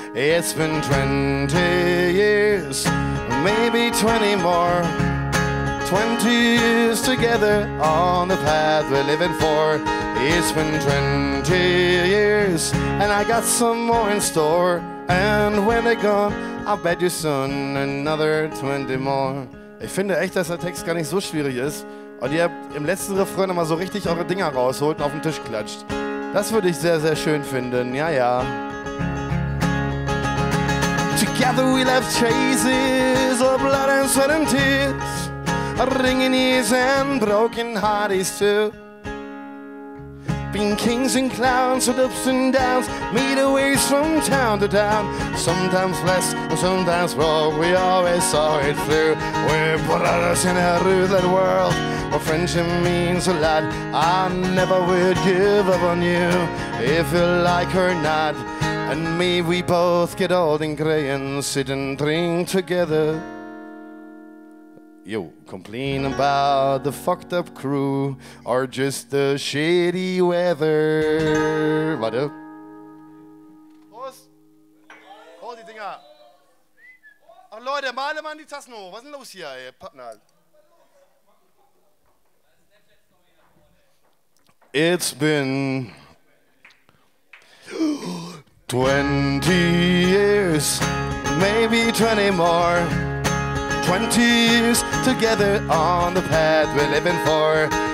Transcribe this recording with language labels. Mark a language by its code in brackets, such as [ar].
[en] It's been 20 years, maybe 20 more. 20 years together on the path we're living for. It's been 20 years, and I got some more in store. And when they're gone, I'll bet you soon another 20 more. [de] Ich finde echt, dass der Text gar nicht so schwierig ist und ihr im letzten Refrain nochmal so richtig eure Dinger rausholt und auf den Tisch klatscht. Das würde ich sehr, sehr schön finden. Ja, ja. [en] Together we left traces of blood and sweat and tears, ringing ears and broken hearties too. been kings and clowns with ups and downs, made our ways from town to town. Sometimes less, or sometimes more, we always saw it through. We're brothers in a ruthless world, where friendship means a lot. I never would give up on you, if you like or not. And may we both get old and gray and sit and drink together. Yo, complain about the fucked up crew or just the shitty weather. [de] Warte. Prost. Hol die Dinger. Ach Leute, male mal die Tassen hoch. Was ist denn los hier, ey? Pappnall. [en] It's been 20 years, maybe 20 more. 20 years together on the path we're living for.